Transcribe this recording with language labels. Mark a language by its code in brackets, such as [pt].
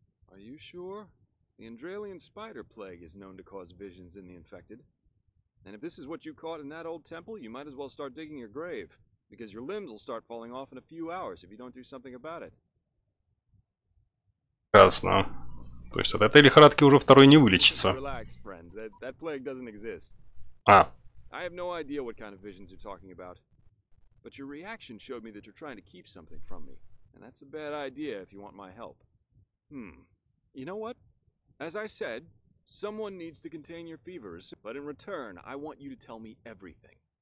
[en] Are you sure? The Andralian spider plague is known to cause visions in the infected. And if this is what you caught in that old temple, you might as well start digging your grave, because your limbs will start falling off in a few hours if you don't do something about it. [ru] Ясно. То есть от этой лихорадки уже второй не вылечится. [en] Relax, friend. That plague doesn't exist. А. I have no idea what kind of visions you're talking about. But your reaction showed me that you're trying to keep something from me. And that's a bad idea if you want my help. You know what? As I said, someone needs to contain your fevers. But in return, I want you to tell me everything.